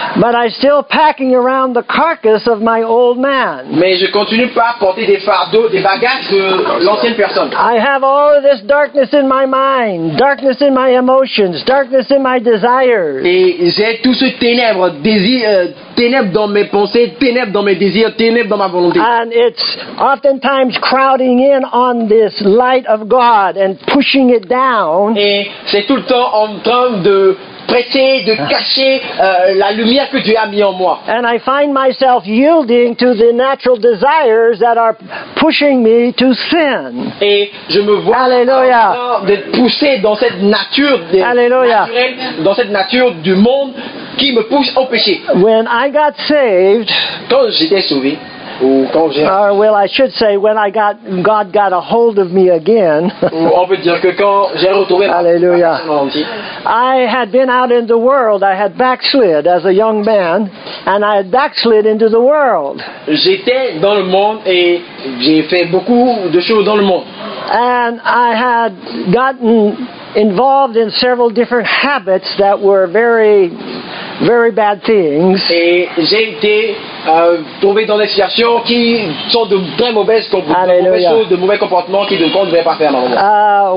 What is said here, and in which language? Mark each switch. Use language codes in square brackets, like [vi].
[en] But I'm still packing around the carcass of my old man. [fr] Mais je continue pas à porter des fardeaux, des bagages de l'ancienne personne. [en] I have all of this darkness in my mind, darkness in my emotions, darkness in my desires. [fr] Et j'ai tout ce ténèbre, désir, ténèbre dans mes pensées, ténèbre dans mes désirs, ténèbre dans ma volonté. [en] And it's oftentimes crowding in on this light of God. And pushing it down. [fr] Et c'est tout le temps en train de presser, de cacher la lumière que Dieu a mis en moi. [en] And I find myself yielding to the natural desires that are pushing me to sin. [fr] Et je me vois Alléluia. En train d'être poussé dans cette nature dans cette nature du monde qui me pousse au péché. [en] When I got saved, [fr] quand j'étais sauvé. [en] Or well, I should say, when I got God got a hold of me again. [fr] On peut dire que quand j'ai retrouvé [en] Alléluia. I had been out in the world. I had backslid as a young man, and I had backslid into the world. [fr] J'étais dans le monde et j'ai fait beaucoup de choses dans le monde. [en] And I had gotten involved in several different habits that were very, very bad things. [fr] Et j'ai été trouvé dans des situations qui sont de très mauvaises choses, de mauvais comportements qui ne devraient pas faire normalement.